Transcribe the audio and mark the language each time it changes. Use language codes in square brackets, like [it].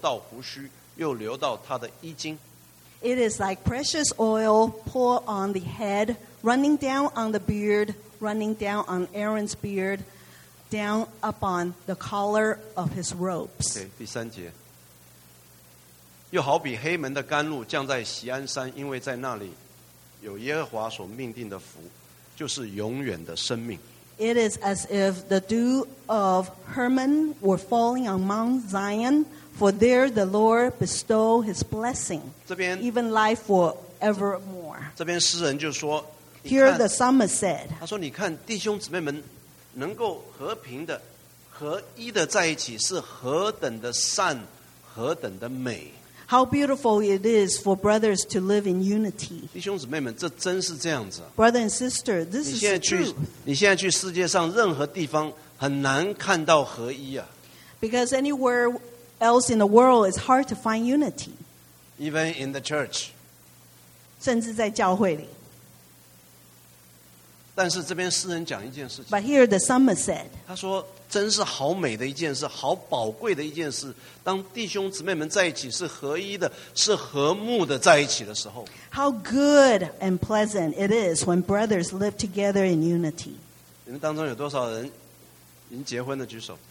[zh] 好,这好像那贵重的油浇在亚伦的头上,流到胡须,又流到他的衣襟。 [en] It is like precious oil poured on the head, running down on the beard, running down on Aaron's beard, down upon the collar of his robes. [zh] Okay, 第三节, 又好比黑门的甘露降在锡安山, 因为在那里有耶和华所命定的福, 就是永远的生命。 [en] It is as if the dew of Hermon were falling on Mount Zion, for there the Lord bestowed his blessing, [zh] 这边, [en] even life forevermore. [zh] 这边诗人就说, 你看, [en] Here the psalmist said, [zh] 他说你看弟兄姊妹们, 能够和平的,合一的在一起是何等的善,何等的美。 [en] How beautiful it is for brothers to live in unity. [zh] 弟兄姊妹们, 这真是这样子。 [en] Brother and sister, this [zh] 你现在去, [en] is the truth. [zh] 你现在去世界上任何地方, 很难看到合一啊。 [en] Because anywhere else in the world, it's hard to find unity. Even in the church. [zh] 甚至在教会里。但是这边诗人讲一件事情, [en] but here the psalmist said, [zh] 他说, 真是好美的一件事, 好宝贵的一件事, 当弟兄姊妹们在一起是合一的, 是和睦的在一起的时候, [en] How good and pleasant it is when brothers live together in unity. [zh] 你们当中有多少人, 您结婚的, 举手。